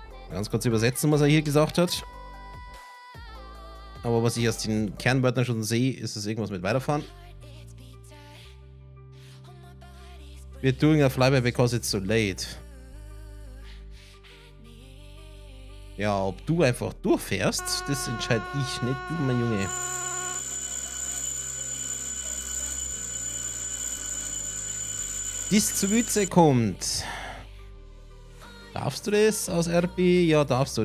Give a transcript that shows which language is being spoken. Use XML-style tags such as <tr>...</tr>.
<de>Ganz kurz übersetzen, was er hier gesagt hat. Aber was ich aus den Kernwörtern schon sehe, ist es irgendwas mit weiterfahren.</de> <en>We're doing a flyby because it's so late.</en> <de>Ja, ob du einfach durchfährst, das entscheide ich nicht, du, mein Junge. dies zu Witze kommt. Darfst du das aus RP? Ja, darfst du.</de>